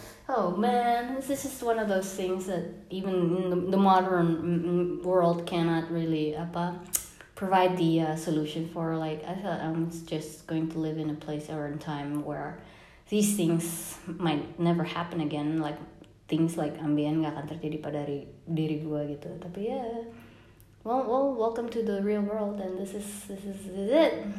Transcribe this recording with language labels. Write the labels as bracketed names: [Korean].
[English] Oh man, this is one of those things that even the modern world cannot really provide the solution for. Like I thought I was just going to live in a place or in time where these things might never happen again. Like things like [Indonesian] Ambien gak akan terjadi pada diri gue gitu. Tapi ya, [English] well, welcome to the real world, and this is it.